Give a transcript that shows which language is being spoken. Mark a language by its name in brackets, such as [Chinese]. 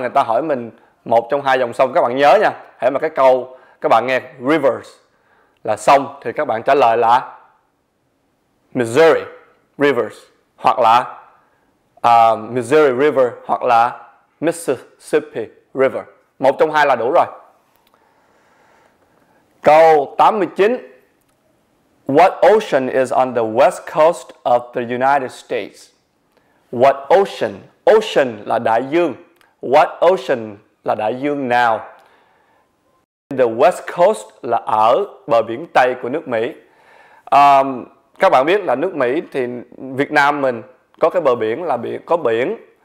[Vietnamese] Người ta hỏi mình một trong hai dòng sông, các bạn nhớ nha. Hễ mà cái câu các bạn nghe rivers là sông thì các bạn trả lời là Missouri rivers, hoặc là Missouri River, hoặc là Mississippi River. Một trong hai là đủ rồi. [English] Câu 89: What ocean is on the west coast of the United States? What ocean? [Vietnamese] Ocean là đại dương. [English] What ocean [Vietnamese] là đại dương nào? [English] The west coast [Vietnamese] là ở bờ biển Tây của nước Mỹ. Các bạn biết là nước Mỹ thì Việt Nam mình có cái bờ biển là biển, có biển.